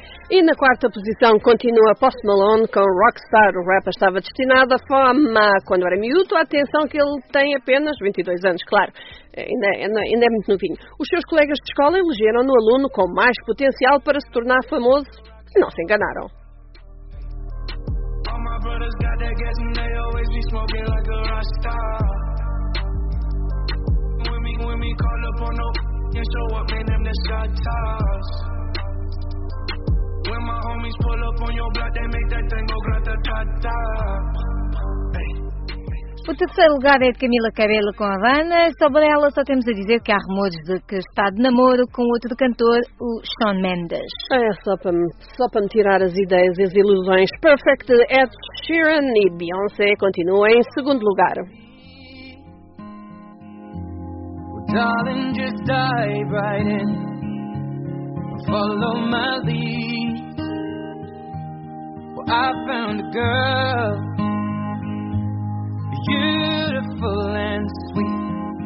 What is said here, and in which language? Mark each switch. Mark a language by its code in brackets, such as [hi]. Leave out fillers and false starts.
[pt] E na quarta posição continua Post Malone com Rockstar. O rapper estava destinado à fama quando era miúdo. Atenção que ele tem apenas 22 anos, claro. Ainda é muito novinho. Os seus colegas de escola elegeram no aluno com mais potencial para se tornar famoso. Não se enganaram. [en] All my brothers got that gas and they always be smoking like a rockstar. When we call up on no and show up, man, them the shot toss. When my homies pull up on your block, they make that thing go grata-ta-ta. [pt] O terceiro lugar é de Camila Cabello com Havana. Sobre ela só temos a dizer que há rumores de que está de namoro com outro cantor, o Shawn Mendes. É só para me tirar as ideias e as ilusões. Perfect Ed Sheeran e Beyoncé continuam em segundo lugar. [en] Darling, just dive right in. Follow my lead. Well, I found a girl, beautiful and sweet.